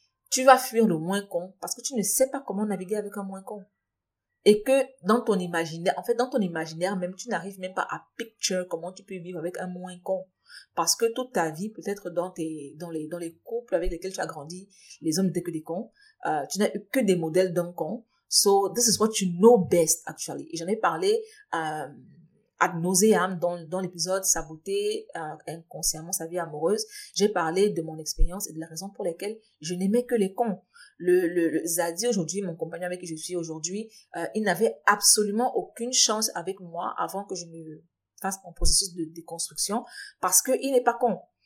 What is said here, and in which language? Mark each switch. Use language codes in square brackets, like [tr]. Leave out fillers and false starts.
[fr] Tu vas fuir le moins con parce que tu ne sais pas comment naviguer avec un moins con. Et que dans ton imaginaire, en fait, dans ton imaginaire même, tu n'arrives même pas à picture comment tu peux vivre avec un moins con. Parce que toute ta vie, peut-être dans les couples avec lesquels tu as grandi, les hommes n'étaient que des cons. Tu n'as eu que des modèles d'un con. [en] So, this is what you know best, actually. [fr] Et j'en ai parlé ad nauseam dans l'épisode « Saboter inconsciemment sa vie amoureuse ». J'ai parlé de mon expérience et de la raison pour laquelle je n'aimais que les cons. Le Zadi aujourd'hui, mon compagnon avec qui je suis aujourd'hui, il n'avait absolument aucune chance avec moi avant que je ne fasse mon processus de déconstruction parce qu'il n'est pas con.